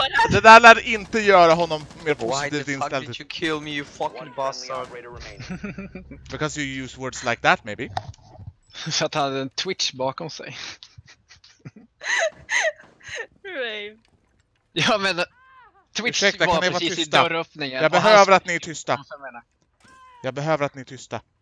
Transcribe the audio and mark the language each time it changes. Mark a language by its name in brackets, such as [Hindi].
[Swedish] Det där lär inte göra honom mer positivt inställd. [English] Why the fuck did you kill me, you fucking bastard? Because you use words like that, maybe. [Swedish] Så att han hade en Twitch bakom sig. Rave. Ja men Twitch. Ursäkta, var kan ni precis vara tysta? I dörröppningen. Jag behöver att ni är tysta. Jag behöver att ni är tysta.